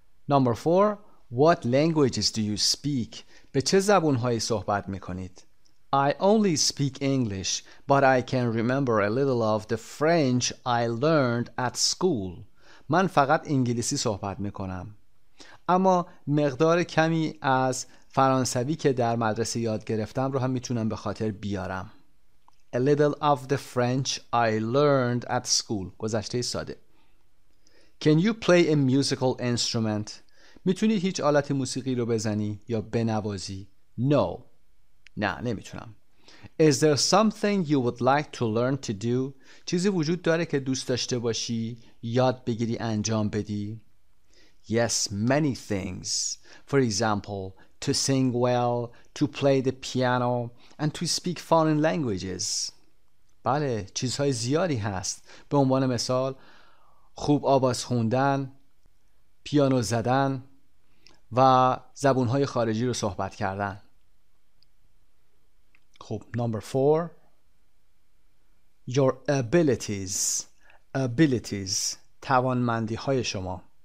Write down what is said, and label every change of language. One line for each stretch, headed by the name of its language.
English: Number 4، what languages do you speak؟
Persian: به چه زبانهایی صحبت میکنید؟
English: I only speak English, but I can remember a little of the French I learned at school.
Persian: من فقط انگلیسی صحبت میکنم، اما مقدار کمی از فرانسوی که در مدرسه یاد گرفتم رو هم میتونم به خاطر بیارم.
English: A little of the French I learned at school.
Persian: گذشته ساده.
English: Can you play a musical instrument?
Persian: میتونید هیچ آلت موسیقی رو بزنی یا بنوازی؟
English: No.
Persian: نه، نمیتونم.
English: Is there something you would like to learn to do؟
Persian: چیزی وجود داره که دوست داشته باشی یاد بگیری انجام بدی؟
English: Yes, many things. For example, to sing well, to play the piano, and to speak foreign languages.
Persian: بله، چیزهای زیادی هست. به عنوان مثال، خوب آواز خوندن، پیانو زدن و زبونهای خارجی رو صحبت کردن. خب، number 4،
English: your abilities،
Persian: توانمندی های شما.